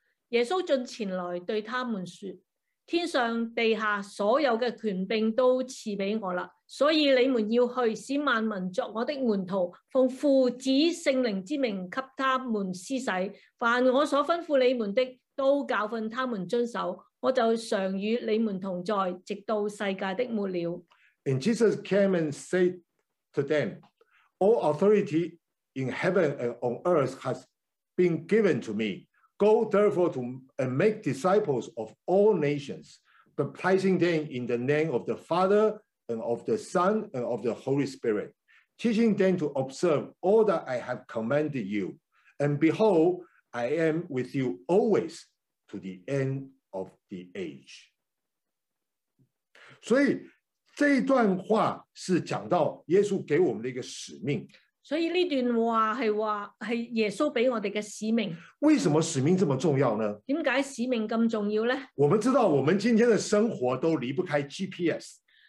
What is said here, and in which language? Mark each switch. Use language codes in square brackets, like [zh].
[zh] 耶稣进前来对他们说，天上地下所有的权柄都赐给我了，所以你们要去使万民作我的门徒，奉父子圣灵之名给他们施洗，凡我所吩咐你们的都教训他们遵守，我就常与你们同在，直到世界的末了。 [en] And Jesus came and said to them, All authority in heaven and on earth has been given to meGo therefore to and make disciples of all nations, baptizing them in the name of the Father and of the Son and of the Holy Spirit, teaching them to observe all that I have commanded you. And behold, I am with you always to the end of the age. [zh] 所以这一段话是讲到耶稣给我们的一个使命。所以这段话是说是耶稣给我们的使命。为什么使命这么重要呢？为什么使命这么重要呢？我们知道我们今天的生活都离不开 GPS。